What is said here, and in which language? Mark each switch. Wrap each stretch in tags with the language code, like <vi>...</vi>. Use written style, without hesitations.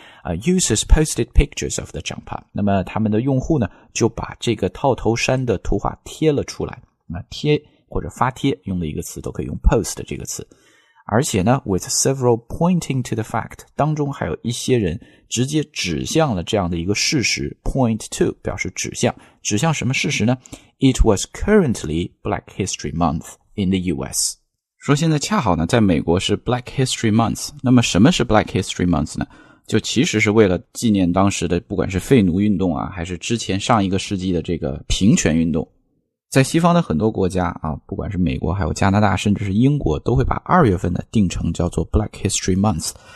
<en>Users posted pictures of the jumper，</en> <zh>那么他们的用户呢就把这个套头衫的图画贴了出来，贴或者发贴用的一个词都可以用 post 这个词。而且呢</zh> <en>with several pointing to the fact，</en> <zh>当中还有一些人直接指向了这样的一个事实， point to 表示指向，指向什么事实呢？</zh> <en>It was currently Black History Month in the US，</en> <zh>说现在恰好呢在美国是 Black History Month。那么什么是 Black History Month 呢？就其实是为了纪念当时的不管是废奴运动啊，还是之前上一个世纪的这个平权运动。在西方的很多国家啊，不管是美国还有加拿大甚至是英国，都会把2月份呢定成叫做 Black History Month。</zh>